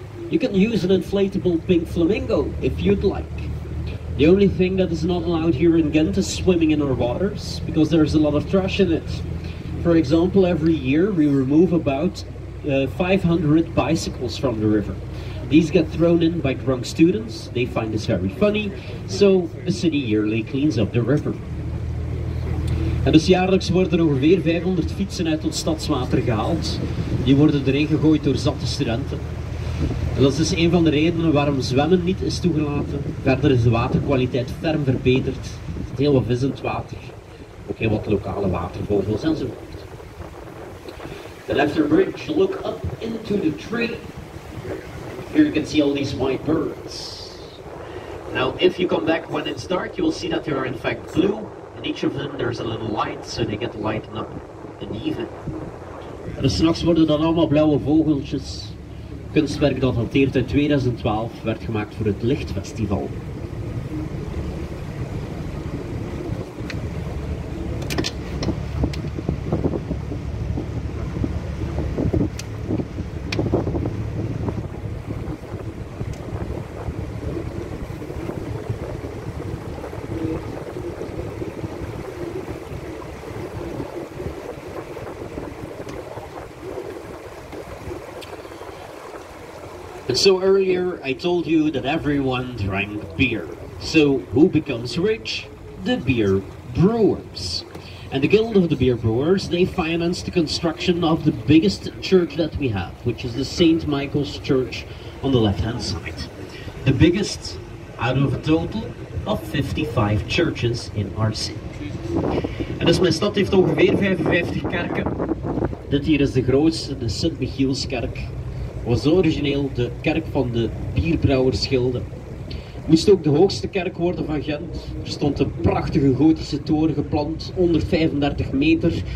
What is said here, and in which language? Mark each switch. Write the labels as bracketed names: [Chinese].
[English] You can use an inflatable pink flamingo, if you'd like. The only thing that is not allowed here in Ghent is swimming in our waters, because there's a lot of trash in it. For example, every year we remove about 500 bicycles from the river. These get thrown in by drunk students, they find this very funny, so the city yearly cleans up the river. [Dutch] En dus jaarlijks worden er ongeveer 500 fietsen uit ons stadswater gehaald. Die worden erin gegooid door zatte studenten. En dat is dus een van de redenen waarom zwemmen niet is toegelaten. Verder is de waterkwaliteit ferm verbeterd. Het is heel wat vissend water. Ook heel wat lokale watervogels enzovoort. [English] The left bridge, look up into the tree. Here you can see all these white birds. Now, if you come back when it's dark, you will see that they are in fact blue. In each of them there's a little light, so they get lightened up in the evening. [Dutch] En dus 's nachts worden dan allemaal blauwe vogeltjes. Kunstwerk dat hanteert in 2012 werd gemaakt voor het Lichtfestival. [English] So earlier I told you that everyone drank beer. So who becomes rich? The beer brewers. And the Guild of the Beer Brewers, they financed the construction of the biggest church that we have, which is the St. Michael's Church on the left-hand side. The biggest out of a total of 55 churches in our city. [Dutch] En dus mijn stad heeft ongeveer 55 kerken. Dit hier is de grootste, de St. Michielskerk. Was origineel de kerk van de bierbrouwersgilde. Moest ook de hoogste kerk worden van Gent. Er stond een prachtige gotische toren geplant, 135 meter.